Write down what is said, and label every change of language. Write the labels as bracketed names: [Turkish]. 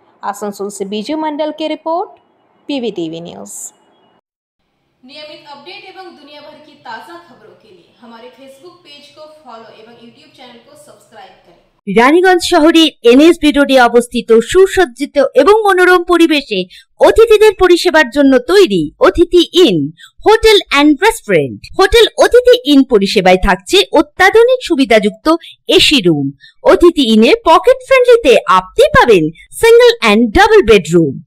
[Hindi] আসানসোল সে বিজু মন্ডল কে report, পিভিটিভি news. नियमित update एवं दुनिया भर की ताज़ा खबरों के लिए हमारे फेसबुक पेज को फॉलो एवं यूट्यूब चैनल को सब्सक्राइब करें। [Bangla] রানীগঞ্জ শহরের এনএসবি রোডে অবস্থিত সুসজ্জিত এবং মনোরম পরিবেশে অতিথিদের পরিষেবার জন্য তৈরি অতিথি in hotel and restaurant. Hotel অতিথি ইন পরিষেবায় থাকছে অত্যাধুনিক সুবিধাযুক্ত এসি রুম। অতিথি ইনে পকেট ফ্রেন্ডলিতে আপনি পাবেন সিঙ্গল অ্যান্ড ডাবল বেডরুম।